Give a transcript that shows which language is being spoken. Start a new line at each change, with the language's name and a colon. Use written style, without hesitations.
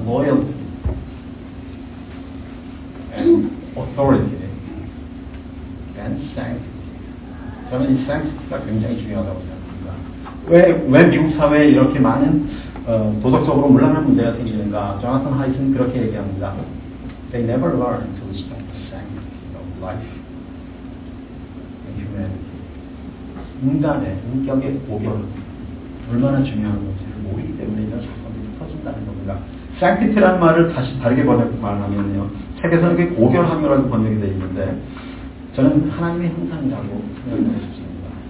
English: Loyalty and authority and sanctity.
Korean: 저는 이 sanctity가 굉장히 중요하다고 생각합니다. 왜 미국 사회에 이렇게 많은 도덕적으로 물러난 문제가 생기는가? 조나탄 하이트는 그렇게 얘기합니다.
English: They never learn to respect the sanctity of life and humanity.
Korean: 인간의 인격의 고결은 얼마나 중요한 건지를 모르기 때문에 이런 사건들이 터진다는 겁니다. Sanctity라는 말을 다시 다르게 말하면요. 책에서는 그게 고결함이라고 번역이 되어 있는데, 저는 하나님의 형상이라고 생각하고 싶습니다.